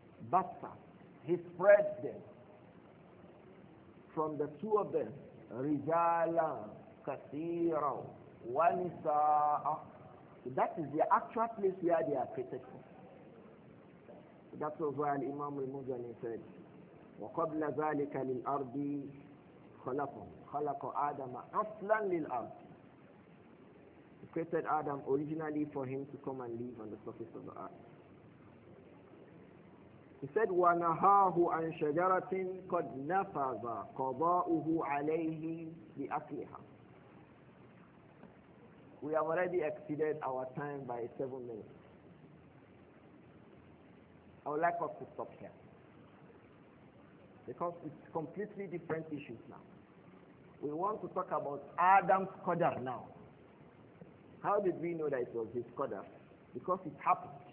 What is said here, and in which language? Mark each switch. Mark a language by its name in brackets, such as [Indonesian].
[English] Bassa, he spread them from the two of them. [Arabic] Rijalan kathiran wa nisaa. [English] So that is the actual place where they are created from. So that was why Imam al-Muzani said, [Arabic] وَقَبْلَ ذَلِكَ لِلْأَرْضِ خَلَقَهُ خَلَقَ آدَمَ أَصْلًا لِلْأَرْضِ. [English] He created Adam originally for him to come and live on the surface of the earth. He said, [Arabic] وَنَهَاهُ عَنْ شَجَرَةٍ قَدْ نَفَذَ قَضَاؤُهُ عَلَيْهِ لِأَكْلِهَا. [English] We have already exceeded our time by 7 minutes. I would like us to stop here. Because it's completely different issues now. We want to talk about Adam's Qadr now. How did we know that it was his Qadr? Because it happened.